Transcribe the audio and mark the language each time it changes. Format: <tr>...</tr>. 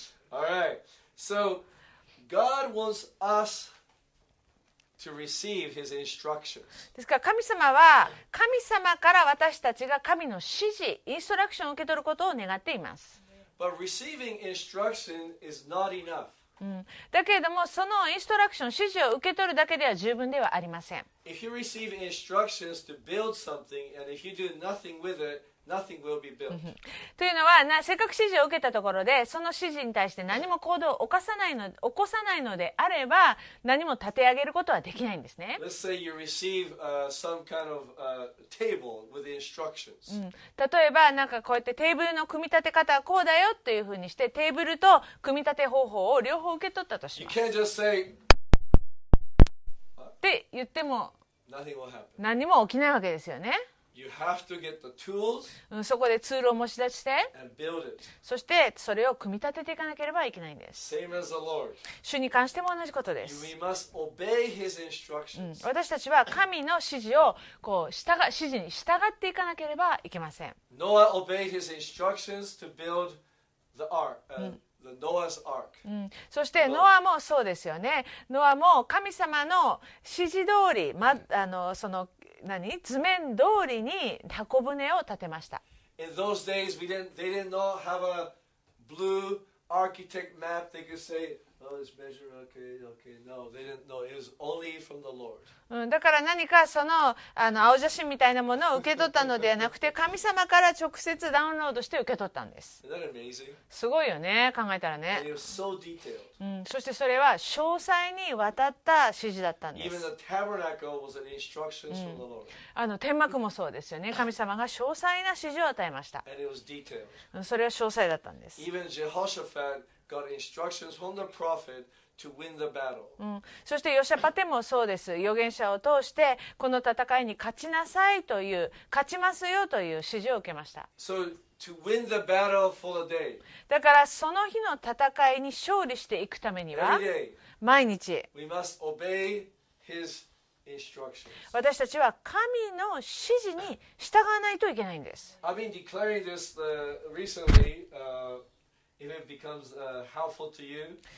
<en>All right. So God wants us to receive His instructions.</en> <ja>ですから神様は神様から私たちが神の指示、インストラクションを受け取ることを願っています。</ja> <en>But receiving instruction is not enough.</en> <ja>うん、だけれどもそのインストラクション、指示を受け取るだけでは十分ではありません。</ja> <en>If you receive instructions to build something and if you do nothing with it, nothing will be built.</en> <ja>というのは、せっかく指示を受けたところでその指示に対して何も行動を起こさないのであれば、何も立て上げることはできないんですね。</ja> <en>Let's say you receive some kind of table with instructions.</en> <ja>例えばなんかこうやってテーブルの組み立て方はこうだよというふうにして、テーブルと組み立て方法を両方受け取ったとします。</ja> <en>You can't just say...</en> <ja>って言っても何も起きないわけですよね。</ja> <en>You have to get the tools、</en> <ja>うん、そこでツールを持ち出して</ja> <en>and build it.</en> <ja>そしてそれを組み立てていかなければいけないんです。</ja> <en>Same as the Lord.</en> <ja>主に関しても同じことです。</ja> <en>We must obey his instructions.、</en> <ja>うん、私たちは神の指示をこう指示に従っていかなければいけません。</ja> <en>Noah obeyed his instructions to build the ark.、Noah's ark.</en> <ja>うん、そしてノアもそうですよね。ノアも神様の指示通り、ま、その何図面通りに箱舟を建てました。</ja> <en>In those days, they did not have a blue architect map. They could say, oh, it's measured, okay, okay. No, they didn't know. It was only from the Lord.、</en> <ja>うん、だから何かその、青写真みたいなものを受け取ったのではなくて、神様から直接ダウンロードして受け取ったんです。</ja> <en>Isn't that amazing?</en> <ja>すごいよね、考えたらね。</ja> <en>And it was so detailed.、</en> <ja>うん、そしてそれは詳細にわたった指示だったんです。</ja> <en>Even the tabernacle was an instruction from the Lord.、</en> <ja>うん、天幕もそうですよね。神様が詳細な指示を与えました。</ja> <en>And it was detailed.</en> <ja>それは詳細だったんです。</ja> <en>Even Jehoshaphat got instructions from the prophet to win the battle.</en> <ja>うん、そしてヨシャパテもそうです。預言者を通してこの戦いに勝ちなさいという、勝ちますよという指示を受けました。</ja> <en>so, to win the battle for the day.</en> <ja>だからその日の戦いに勝利していくためには毎日</ja> <en>we must obey his instructions.</en> <ja>私たちは神の指示に従わないといけないんです。</ja> <en>I've been declaring this recently if it becomes helpful to you.</en>